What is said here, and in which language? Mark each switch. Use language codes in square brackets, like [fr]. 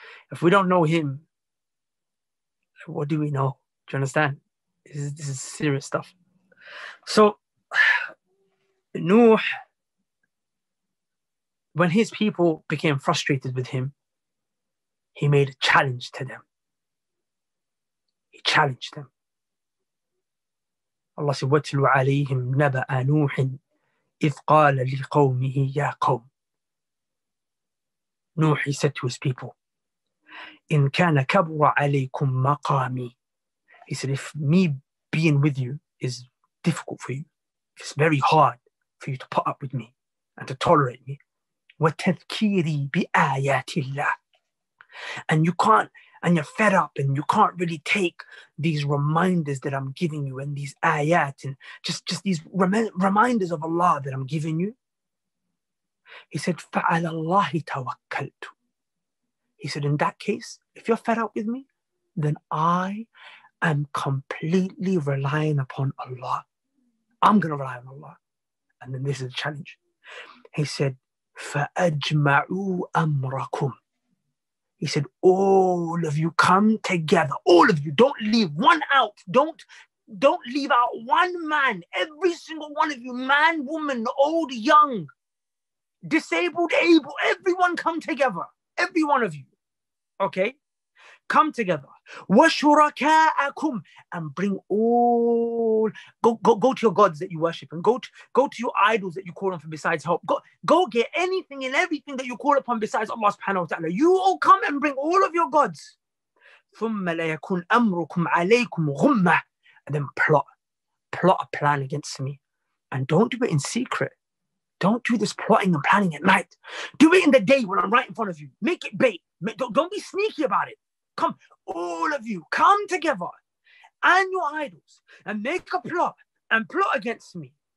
[en] If we don't know him, what do we know? Do you understand? This is serious stuff. So, Nuh, when his people became frustrated with him, he made a challenge to them. He challenged them. Allah said, [ar] وَتِلُوا عَلَيْهِمْ نَبَأَ نُوحٍ إِذْ قَالَ لِقَوْمِهِ يَا قَوْمِ. [en] Nuh, he said to his people, [ar] إِنْ كَانَ كَبُرَ عَلَيْكُمْ مَقَامِي. [en] He said, if me being with you is difficult for you, if it's very hard for you to put up with me and to tolerate me, [ar] وَتَذْكِيرِي بِآيَاتِ اللَّهِ. [en] And you're fed up and you can't really take these reminders that I'm giving you and these ayat and just these reminders of Allah that I'm giving you. He said, [ar] فَعَلَى اللَّهِ تَوَكَّلْتُ. [en] He said, in that case, if you're fed up with me, then I am completely relying upon Allah. I'm going to rely on Allah. And then this is a challenge. He said, [ar] فَأَجْمَعُوا أَمْرَكُمْ. [en] He said, all of you come together. All of you. Don't leave one out. Don't leave out one man. Every single one of you. Man, woman, old, young, disabled, able. Everyone come together. Every one of you. Okay? Come together. [ar] وَشُرَكَاءَكُمْ. [en] And bring all... Go to your gods that you worship. And go to your idols that you call on for besides help. Go get anything and everything that you call upon besides Allah subhanahu wa ta'ala. You all come and bring all of your gods. [ar] ثُمَّ لَيَكُنْ أَمْرُكُمْ عَلَيْكُمْ غُمَّةً. [en] And then plot. plot a plan against me. And don't do it in secret. Don't do this plotting and planning at night. Do it in the day when I'm right in front of you. Make it bait. Don't be sneaky about it. Come, all of you, come together and your idols and make a plot and plot against me.